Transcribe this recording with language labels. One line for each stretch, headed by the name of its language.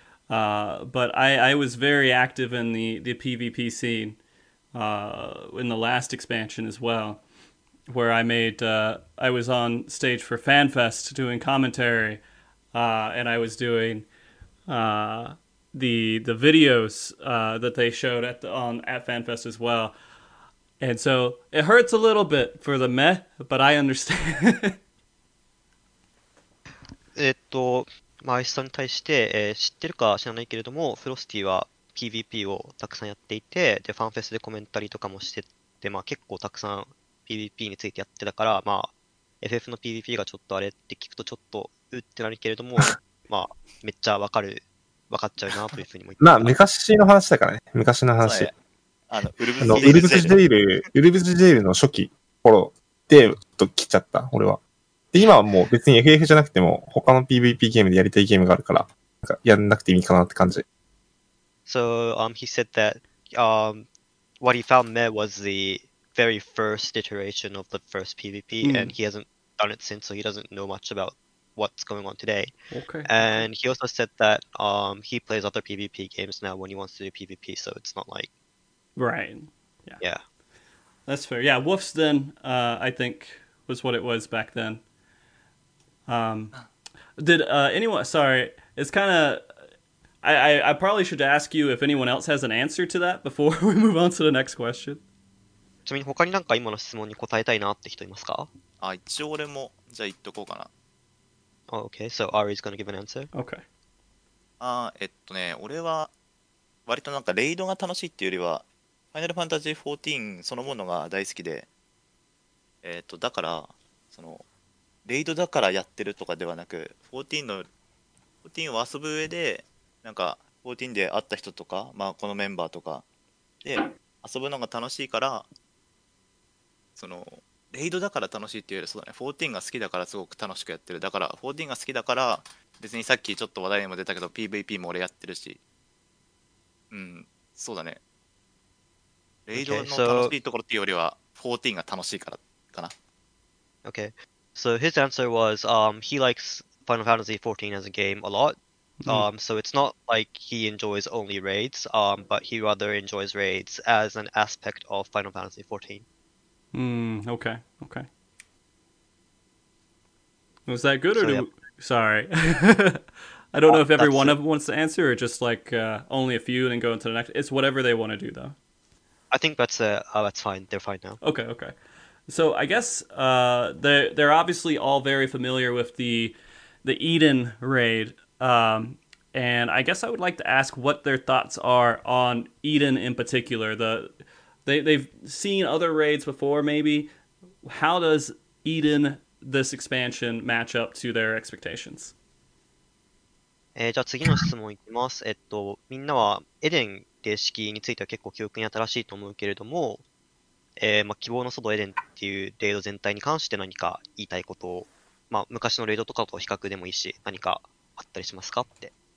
English: But I was very active in the PvP scene in the last expansion as well, where I made I was on stage for FanFest doing commentary, and I was doing the videos that they showed at FanFest as well, and so it hurts a little bit for the meh, but I understand.
Japanese: まあ、アイスさんに対して、知ってるか知らないけれども、フロスティは PVP をたくさんやっていて、で、ファンフェスでコメンタリーとかもしてて、まあ、結構たくさん PVP についてやってたから、まあ、FF の PVP がちょっとあれって聞くとちょっとうってなるけれども、まあ、めっちゃわかっちゃうなというふうにも言ってた。まあ、昔の話だからね、昔の話。ウルブスジェイル、ウルブスジェイルの初期頃で、と来ちゃった、俺は。今はもう別に FF じゃなくても他の PVP ゲームでやりたいゲームがあるからなんかやんなくていいかなって感じ。
English: So, he said that, what he found there was the very first iteration of the first PVP、うん、and he hasn't done it since, so he doesn't know much about what's going on today. Okay. And he also said that, he plays other PVP games now when he wants to do PVP, so it's not like... Right. Yeah. Yeah. That's fair. Yeah, Wolf's then, I think, was what it was back then. Did anyone, sorry, it's kind of, I probably should ask you if anyone else has an answer to that before we move on to the next question.
Japanese: ちなみに他になんか今の質問に答えたいなって人いますか？あ、一応俺も、じゃあ言っとこうかな。
English: Okay, so Ari is gonna give an answer. Okay.
Japanese: あ、ね、俺は割となんかレイドが楽しいっていうよりは、Final Fantasy 14そのものが大好きで、だから、その、レイドだからやってるとかではなく、14の、14を遊ぶ上で、なんか、14で会った人とか、まあ、このメンバーとかで、遊ぶのが楽しいから、その、レイドだから楽しいっていうより、そうだね、14が好きだからすごく楽しくやってる。だから、14が好きだから、別にさっきちょっと話題にも出たけど、PVP も俺やってるし、うん、そうだね。レイドの楽しいところっていうよりは、14が楽しいからかな。
English: OK。So his answer was, he likes Final Fantasy XIV as a game a lot, So it's not like he enjoys only raids, but he rather enjoys raids as an aspect of Final Fantasy XIV. Okay. Was that good? Sorry. I don't know if every one of them wants to answer or just like only a few and then go into the next. It's whatever they want to do, though. I think that's fine. They're fine now. Okay. So I guess they're obviously all very familiar with the Eden raid. And I guess I would like to ask what their thoughts are on Eden in particular. They've seen other raids before, maybe. How does Eden, this expansion, match up to their expectations?
Japanese: じゃあ次の質問いきます。みんなはエデン形式については結構記憶に新しいと思うけれども、まあ希望の外エデンっていうレイド全体に関して何か言いたいことを、まあ昔のレイドとかと比較でもいいし、何かあったりしますかって。